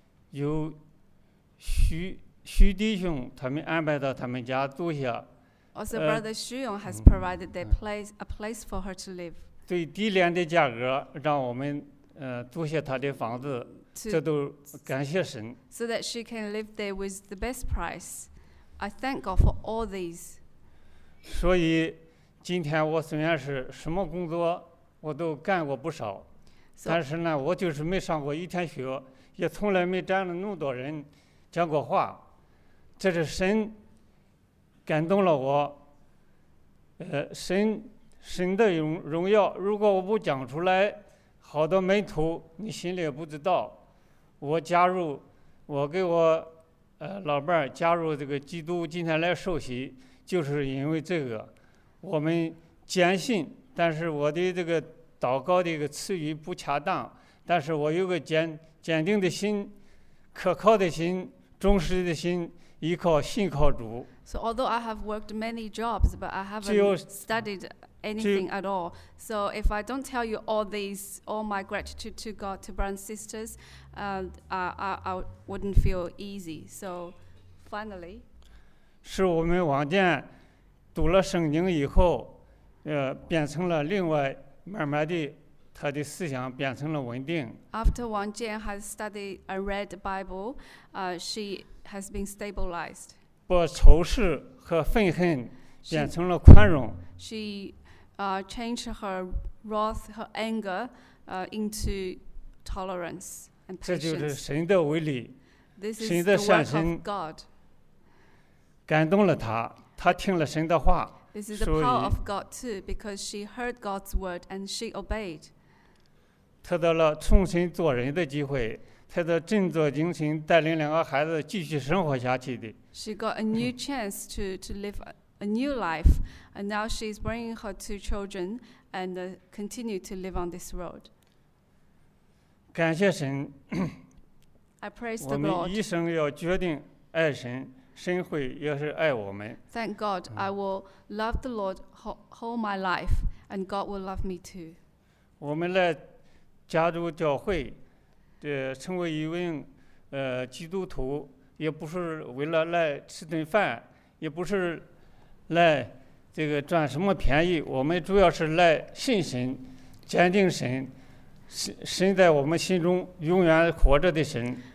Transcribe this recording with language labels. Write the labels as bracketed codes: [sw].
[zh] 有徐弟兄他们安排到他们家住下。 [en] Also, Brother Xu Yong has provided their place, a place for her to live. [zh] 最低廉的价格让我们租下他的房子，这都感谢神。 [en] So that she can live there with the best price, I thank God for all these. [zh] 所以今天我虽然是什么工作我都干过不少，但是呢，我就是没上过一天学。也从来没站了那么多人讲过话，这是神感动了我。神的荣耀，如果我不讲出来，好多门徒你心里也不知道，我加入，我给我老伴加入这个基督，今天来受洗就是因为这个。我们坚信，但是我的这个祷告的一个词语不恰当，但是我有个坚定的心，可靠的心，忠实的心，依靠信靠主。 [en] So although I have worked many jobs, but I haven't studied anything at all. So if I don't tell you all my gratitude to God, to brothers and sisters, I wouldn't feel easy. So finally, [zh] 是我们往见读了圣经以后，变成了另外慢慢的。他的思想变成了稳定。 [en] After Wang Jian has studied and read the Bible, she has been stabilized. [zh] 把仇视和愤恨变成了宽容。 [en] She changed her wrath, her anger, into tolerance and patience. [zh] 这就是神的威力。 [en] This is [zh] 神的善神 [en] the work of God. [zh] 感动了他，他听了神的话。 [en] This is the power of God too, because she heard God's word and she obeyed. [zh] 得到了重新做人的机会，她在振作精神，带领两个孩子继续生活下去的。 [en] She got a new chance to live a new life, and now she's bringing her two children and continue to live on this road. [zh] 感谢神。 [en] I praise the Lord. [zh] 我们一生要决定爱神。神会也是爱我们。 [en] Thank God, I will love the Lord whole my life, and God will love me too. [zh] 我们来加入教会，成为一位基督徒，也不是为了来吃顿饭，也不是来这个赚什么便宜。我们主要是来信神，坚定神，神在我们心中永远活着的神。